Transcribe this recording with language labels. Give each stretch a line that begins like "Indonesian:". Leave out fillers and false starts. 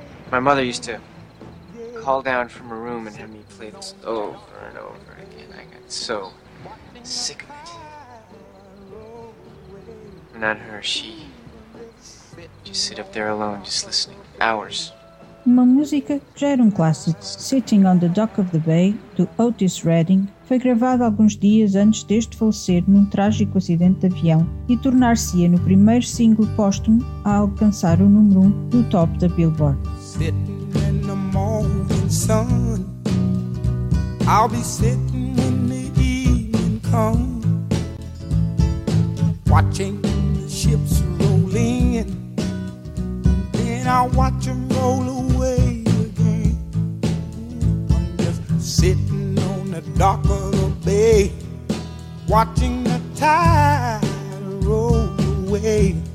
English: My mother used to call down from her room and have me play this over and over again. I got so sick of it. Not her, she. Just sit up there alone, just listening. Hours.
Portuguese: Uma música já era um clássico. Sitting on the Dock of the Bay, do Otis Redding, foi gravada alguns dias antes deste falecer num trágico acidente de avião e tornar-se-ia no primeiro single póstumo a alcançar o número 1 do top da Billboard.
English: Sitting in the morning sun, I'll be sitting when the evening comes, watching the ships roll in. I watch them roll away again. I'm just sitting on the dock of the bay, watching the tide roll away.